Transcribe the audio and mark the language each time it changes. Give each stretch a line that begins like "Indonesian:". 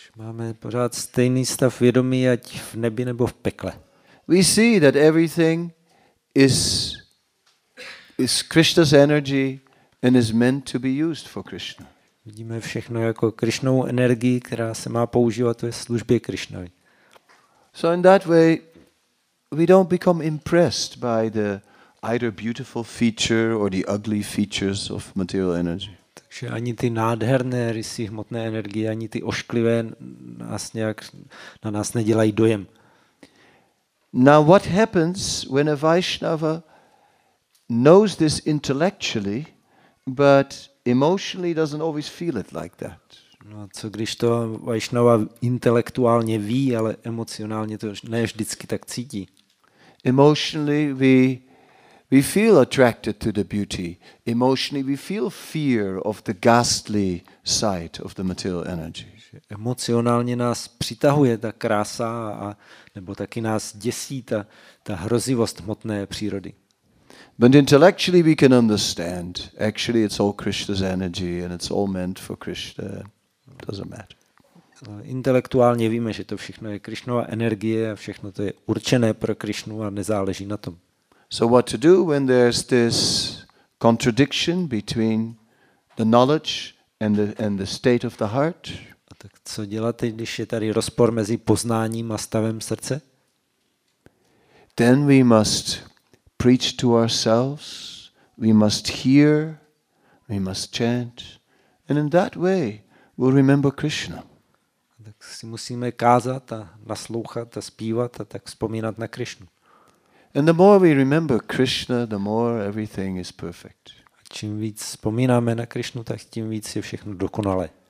Czech: Máme pořád stejný stav vědomí, ať v nebi nebo v pekle.
English: We see that everything is Krishna's energy and is meant to be used for Krishna.
Czech: Vidíme všechno jako Krišnovu energii, která se má používat ve službě Krišnovi.
English: So in that way we don't become impressed by the either beautiful feature or the ugly features of material energy.
Czech: Takže ani ty nádherné rysy hmotné energie, ani ty ošklivé nás nějak na nás nedělají dojem.
English: Now what happens when a Vaishnava knows this intellectually but emotionally doesn't always feel it like that?
Czech: No a co když to Vaishnava intelektuálně ví, ale emocionálně to ne vždycky tak cítí.
English: Emotionally we feel attracted to the beauty. Emotionally we feel fear of the ghastly sight of the material energy.
Czech: Emocionálně nás přitahuje ta krása a nebo taky nás děsí ta hrozivost hmotné přírody.
English: But intellectually we can understand actually it's all Krishna's energy and it's all meant for Krishna. Doesn't matter.
Czech: Intelektuálně víme, že to všechno je Krišnova energie a všechno to je určené pro Krišnu a nezáleží na tom.
English: So what to do when there's this contradiction between the knowledge and the state of the heart?
Czech: A tak co dělat, když je tady rozpor mezi poznáním a stavem srdce?
English: Then we must preach to ourselves, we must hear, we must chant, and in that way we'll remember Krishna.
Czech: Tak si musíme kázat a naslouchat a zpívat a tak vzpomínat na Krišnu.
English: And the more we remember Krishna, the more everything is perfect.
Czech: A čím víc vzpomínáme na Krišnu, tak tím víc je všechno dokonalé.